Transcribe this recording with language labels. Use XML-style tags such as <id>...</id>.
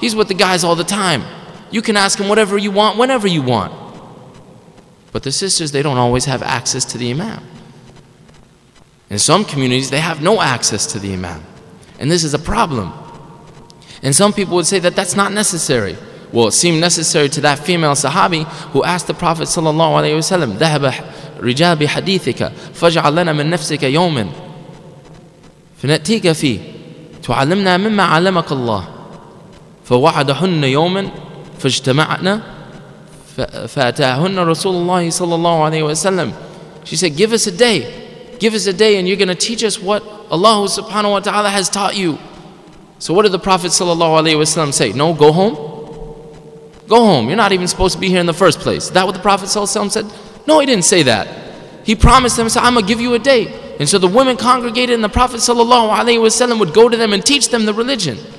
<en>He's with the guys all the time. You can ask him whatever you want, whenever you want. But the sisters, they don't always have access to the imam. In some communities, they have no access to the imam. And this is a problem. And some people would say that that's not necessary. Well, it seemed necessary to that female sahabi who asked the Prophet sallallahu alaihi wasallam,</en> <ar>ذهب رجال بحديثك فاجعل لنا من نفسك يوما فنأتيك فيه تعلمنا مما علمك الله فوعدهن يوما فاجتمعنا فأتاهن رسول الله صلى الله عليه وسلم.</ar> <en>She said, give us a day. Give us a day and you're going to teach us what Allah subhanahu wa ta'ala has taught you. So what did the Prophet sallallahu alaihi wasallam say? No, go home. Go home. You're not even supposed to be here in the first place. Is that what the Prophet sallallahu alaihi wasallam said? No, he didn't say that. He promised them, said, I'm going to give you a day. And so the women congregated and the Prophet sallallahu alaihi wasallam would go to them and teach them the religion.</en>